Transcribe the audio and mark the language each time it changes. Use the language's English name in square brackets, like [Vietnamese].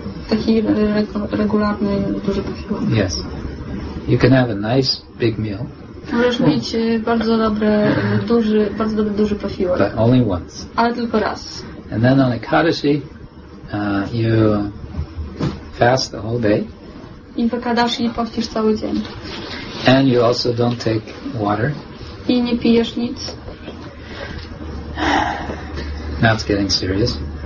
[Polish] Taki regularny, duży posiłek. [English] Yes. You can have a nice big meal. [Polish] Możesz mieć bardzo dobry, duży posiłek. [English] But only once. [Polish] Ale tylko raz. [English] And then on Ekadashi, you fast the whole day. [Polish] I w Ekadashi pościsz cały dzień. [English] And you also don't take water. [Polish] I nie pijesz nic. [English] Now it's getting serious.